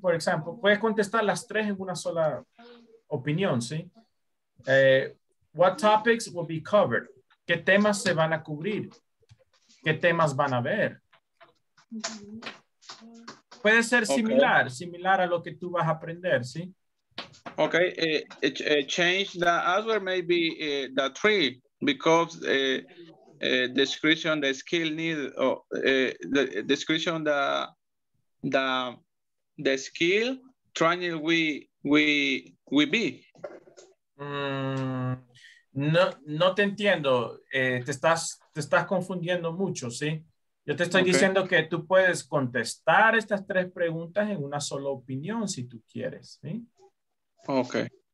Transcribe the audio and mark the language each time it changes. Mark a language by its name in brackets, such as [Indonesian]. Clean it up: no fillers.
[Spanish] Por ejemplo, puedes contestar las tres en una sola opinión, ¿sí? [English] What topics will be covered? [Spanish] ¿Qué temas se van a cubrir? ¿Qué temas van a ver? Puede ser similar, okay. Similar a lo que tú vas a aprender, ¿sí? [English] Ok, change the answer, maybe the three, because description the skill need, the skill training we be. [Spanish] No te entiendo, te estás confundiendo mucho, ¿sí? Yo te estoy diciendo que tú puedes contestar estas tres preguntas en una sola opinión si tú quieres, ¿sí? [English] Okay.